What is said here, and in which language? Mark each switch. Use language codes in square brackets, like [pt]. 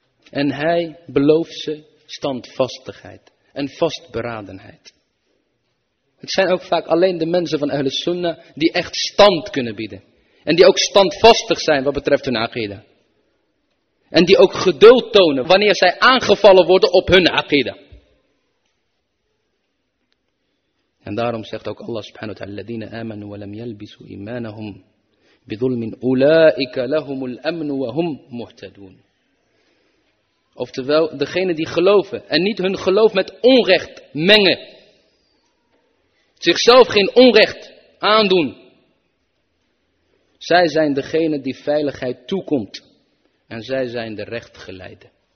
[nl] En hij belooft ze standvastigheid en vastberadenheid. Het zijn ook vaak alleen de mensen van Ahl Sunnah die echt stand kunnen bieden. En die ook standvastig zijn wat betreft hun aqida. En die ook geduld tonen wanneer zij aangevallen worden op hun aqida. En daarom zegt ook [ar] Allah subhanahu wa ta'ala, الَّذِينَ آمَنُوا وَلَمْ يَلْبِسُوا إِمَانَهُمْ بِظُلْمٍ أُولَٰئِكَ لَهُمُ الْأَمْنُ وَهُمْ مُهْتَدُونَ. [nl] Oftewel, degene die geloven en niet hun geloof met onrecht mengen. Zichzelf geen onrecht aandoen. Zij zijn degene die veiligheid toekomt. En zij zijn de rechtgeleide.